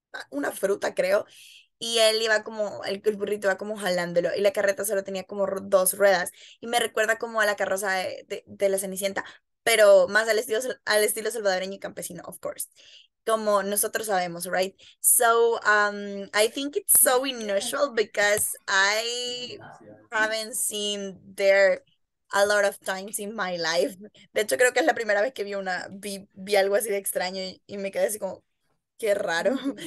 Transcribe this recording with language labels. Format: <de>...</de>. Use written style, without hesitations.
<es>una fruta, creo, y él iba como, el burrito iba como jalándolo, y la carreta solo tenía como dos ruedas, y me recuerda como a la carroza de la Cenicienta, pero más al estilo salvadoreño y campesino, of course. Como nosotros sabemos, right?</es> <en>So I think it's so unusual because I haven't seen there a lot of times in my life.</en> <es>De hecho, creo que es la primera vez que vi algo así de extraño y me quedé así como, qué raro.</es>